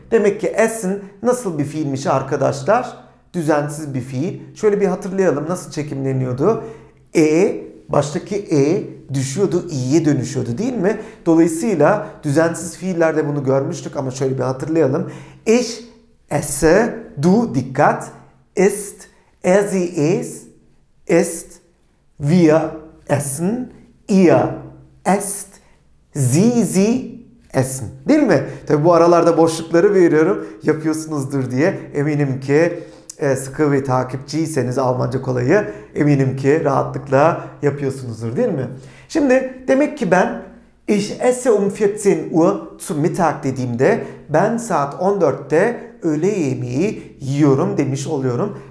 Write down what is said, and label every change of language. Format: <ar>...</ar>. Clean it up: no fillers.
<tr>Demek ki essen nasıl bir fiilmiş arkadaşlar? Düzensiz bir fiil. Şöyle bir hatırlayalım, nasıl çekimleniyordu? Baştaki düşüyordu, i'ye dönüşüyordu, değil mi? Dolayısıyla düzensiz fiillerde bunu görmüştük ama şöyle bir hatırlayalım.</tr> <de>Ich esse, du,</de> <tr>dikkat,</tr> <de>ist, er sie es, ist, wir essen, ihr esst, sie essen.</de> <tr>Değil mi? Tabi bu aralarda boşlukları veriyorum, yapıyorsunuzdur diye. Eminim ki sıkı bir takipçiyseniz Almanca Kolay'ı eminim ki rahatlıkla yapıyorsunuzdur değil mi? Şimdi demek ki ben</tr> <de>Ich esse um 14 Uhr zu Mittag</de> <tr>dediğimde ben saat 14'te öğle yemeği yiyorum demiş oluyorum.</tr>